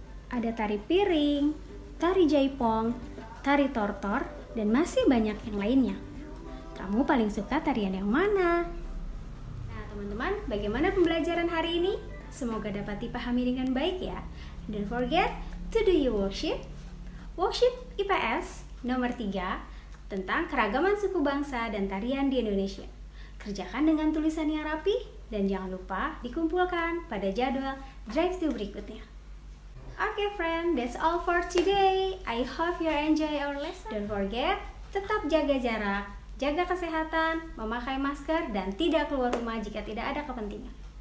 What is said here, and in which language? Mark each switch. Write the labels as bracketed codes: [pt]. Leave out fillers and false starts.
[id] Ada tari piring, tari jaipong, tari tortor, dan masih banyak yang lainnya. Kamu paling suka tarian yang mana? Teman-teman, bagaimana pembelajaran hari ini? Semoga dapat dipahami dengan baik ya. [en] Don't forget to do your worksheet. [id] Worksheet IPS nomor 3 tentang keragaman suku bangsa dan tarian di Indonesia. Kerjakan dengan tulisan yang rapi dan jangan lupa dikumpulkan pada jadwal drive-thru berikutnya. [en] Okay friend, that's all for today. I hope you enjoy our lesson. Don't forget, [id] tetap jaga jarak. Jaga kesehatan, memakai masker, dan tidak keluar rumah jika tidak ada kepentingan.